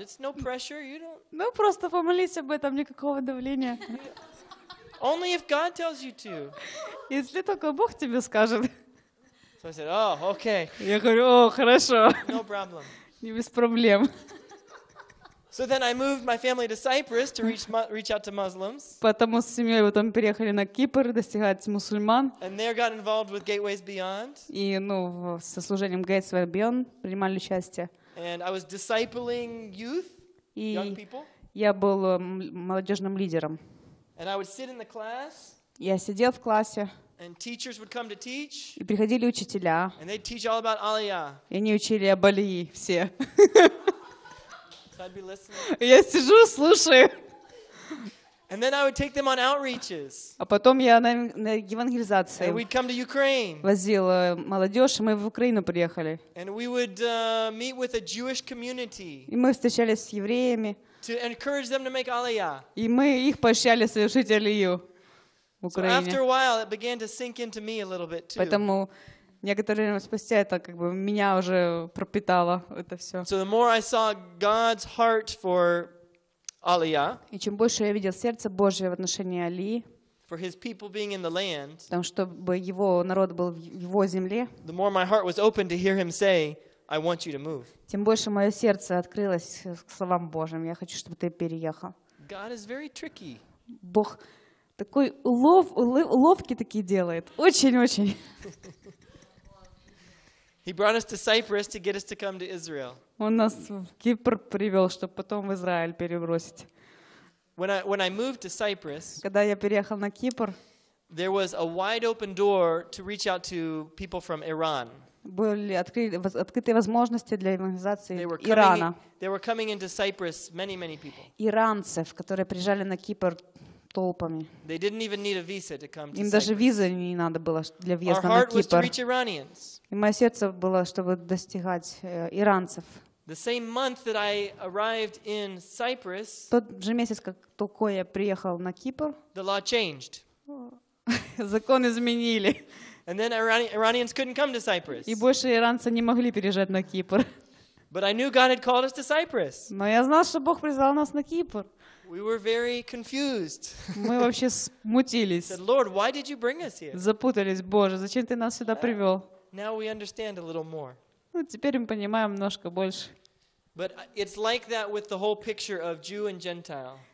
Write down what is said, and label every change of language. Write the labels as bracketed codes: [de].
[en] It's no pressure. You don't." [ru] Ну просто помолись об этом, никакого давления. [en] Only if God tells you to. [ru] Если только Бог тебе скажет. [en] So I said, "Oh, okay." [ru] Я говорю, о, хорошо. [en] No problem. [ru] Не без проблем. [en] So then I moved my family to Cyprus to reach out to Muslims. [ru] Потому с семьей потом переехали на Кипр достигать мусульман. [en] And there got involved with Gateways Beyond. [ru] И со служением Gateways Beyond принимали участие. [en] And I was discipling youth, young people. [ru] Я был молодежным лидером. [en] And I would sit in the class. [ru] Я сидел в классе. [en] And teachers would come to teach. [ru] И приходили учителя. [en] And they'd teach all about Alia. [ru] И они учили об Алии все. [en] So I'd be listening. [ru] Я сижу, слушаю. [en] And then I would take them on outreaches. [ru] А потом я на евангелизации. [en] And we'd come to Ukraine. [ru] Возил молодежь, мы в Украину приехали. [en] And we would meet with a Jewish community. [ru] И мы встречались с евреями. [en] To encourage them to make Aliyah. [ru] И мы их поощряли совершить Алию в Украине. [en] So after a while, it began to sink into me a little bit too. [ru] Поэтому некоторое время спустя это как бы меня уже пропитало это все. [en] So the more I saw God's heart for Aliyah, [ru] и чем больше я видел сердце Божье в отношении Алии, [en] for his people being in the land, [ru] потому чтобы его народ был в его земле, [en] the more my heart was open to hear him say, I want you to move. [ru] Тем больше мое сердце открылось к словам Божьим. Я хочу, чтобы ты переехал. [en] God is very tricky. [ru] Бог такой уловки такие делает. Очень-очень. Он нас в Кипр привел, чтобы потом в Израиль перебросить. [en] When I moved to Cyprus, [ru] когда я переехал на Кипр, [en] there was a wide open door to reach out to people from Iran. [ru] Были открыты возможности для евангелизации Ирана. [en] They were coming into Cyprus many, many people. [ru] Иранцев, которые приезжали на Кипр толпами. [en] They didn't even need a visa to come to [ru] Им даже визы не надо было для въезда [en] Our heart [ru] на Кипр. [en] Was to reach Iranians. [ru] И мое сердце было, чтобы достигать иранцев. [en] The same month that I arrived in Cyprus, [ru] тот же месяц, как только я приехал на Кипр, [en] the law changed. [ru] Закон изменили. [en] And then Iranians couldn't come to Cyprus. [ru] И больше иранцы не могли переезжать на Кипр. [en] But I knew God had called us to Cyprus. [ru] Но я знал, что Бог призвал нас на Кипр. [en] We were very confused. [ru] Мы вообще смутились. [en] Said, Lord, why did you bring us here? [ru] Запутались, Боже, зачем ты нас сюда привел? [en] Now we understand a little more. [ru] Ну теперь мы понимаем немножко больше. [en] But it's like that with the whole picture of Jew and Gentile.